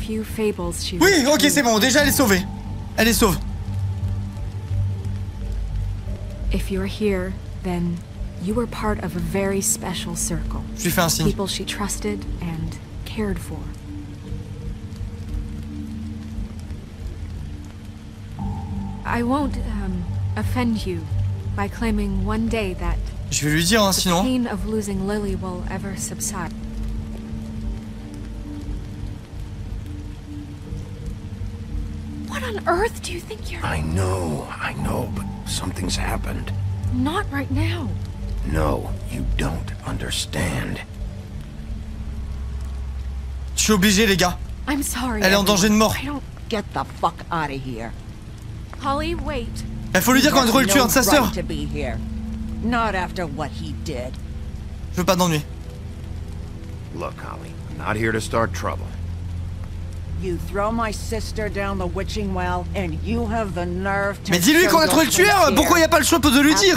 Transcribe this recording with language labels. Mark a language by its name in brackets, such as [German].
[French] Oui, ok, c'est bon, déjà elle est sauvée. Elle est sauve. [English] If you're here, then you were part of a very special circle. [French] Je lui fais un signe. [English] People she trusted and cared for. I won't offend you by claiming one day that [French] je vais lui dire, hein, sinon [English] the pain of losing Lily will ever subside. What on earth do you think you're? I know, but something's happened. Not right now. No, you don't understand. [French] Je suis obligé, les gars. [English] I'm sorry. [French] Elle est en danger de mort. [English] I don't get the fuck out of here. Holly, wait. [French] Il faut lui dire qu'on a trouvé le tueur de sa sœur. [English] To be here. Not after what he did. [French] Je veux pas d'ennui. [English] Look, Holly, I'm not here to start trouble. You throw my sister down the witching well and you have the nerve to. [French] Mais dis-lui qu'on a trouvé le tueur, pourquoi il y a pas le choix de lui dire?